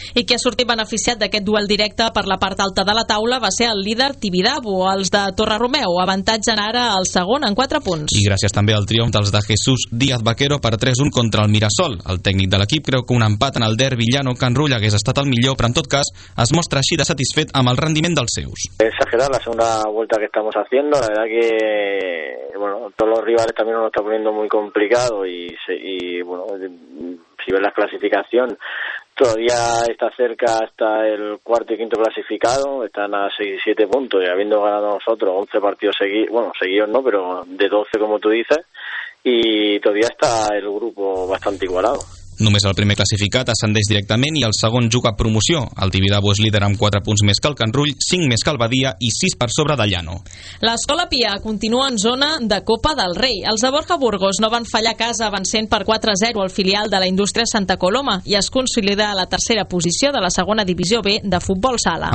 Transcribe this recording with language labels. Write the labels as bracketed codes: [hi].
[ca] I qui ha sortit beneficiat d'aquest duel directe per la part alta de la taula va ser el líder Tibidabo, els de Torre Romeu, avantatgen ara el segon en 4 punts. I gràcies també al triomf dels de Jesús Díaz Vaquero per 3-1 contra el Mirasol. El tècnic de l'equip creu que un empat en el derbi Llano-Can Rull hagués estat el millor, però en tot cas es mostra així de satisfet amb el rendiment dels seus. [es] Exagerar la segunda vuelta que estamos haciendo, la verdad que bueno, todos los rivales también nos está poniendo muy complicado y bueno, si ves la clasificación, todavía está cerca hasta el cuarto y quinto clasificado, están a 6-7 puntos y habiendo ganado nosotros 11 partidos seguidos, bueno, seguidos no, pero de 12 como tú dices, y todavía está el grupo bastante igualado. [ca] Només el primer classificat ascendeix directament i el segon juga promoció. El Tibidabo és líder amb 4 punts més que el Can Rull, 5 més que el Badia i 6 per sobre de Llano. L'Escola Pia continua en zona de Copa del Rei. Els de Borja Burgos no van fallar a casa avançant per 4-0 al filial de la Indústria Santa Coloma i es consolida a la tercera posició de la segona divisió B de futbol sala.